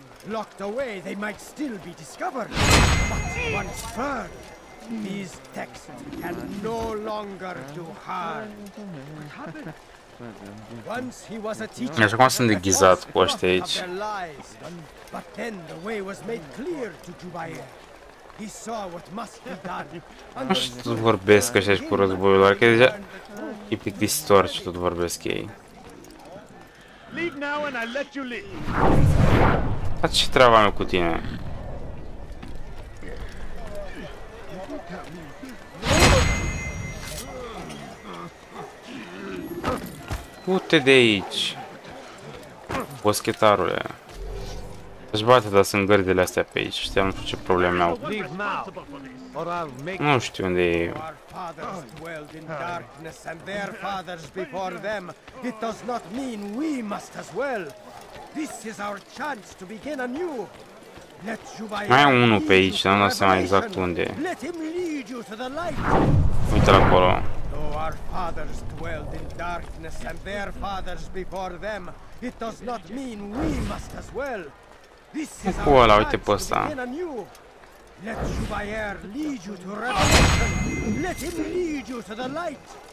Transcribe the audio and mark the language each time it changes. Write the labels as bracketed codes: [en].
[en] Locked away, they might still be discovered. But once firm, these texts can no longer do harm. Once he was a teacher of their lies, but then the way was made clear to Jubair. He saw what must be done. [ro] Nu știu, tot vorbesc așa și cu războiul, doar că deja e plictisitor ce tot vorbesc ei. Dar ce treaba mea cu tine? Du-te de aici, boschetarule. Aș bate, dar sunt gărdile astea pe aici, știam, nu știu ce probleme au. [en] or I'll make you. [ro] Nu știu unde e. [en] Our fathers dwelled in darkness and their fathers before them. It does not mean we must as well. This is our chance to begin anew. Let Jubai. [ro] Mai e unul pe aici, nu am seama exact unde. [en] Let him lead you to the light. [ro] Uite-l acolo. [en] Our fathers dwelled in darkness and their fathers before them. It does not mean we must as well. This is our chance. [ro] Uite pe ăsta. [en] Let Jubair lead you to revelation. Let him lead you to the light.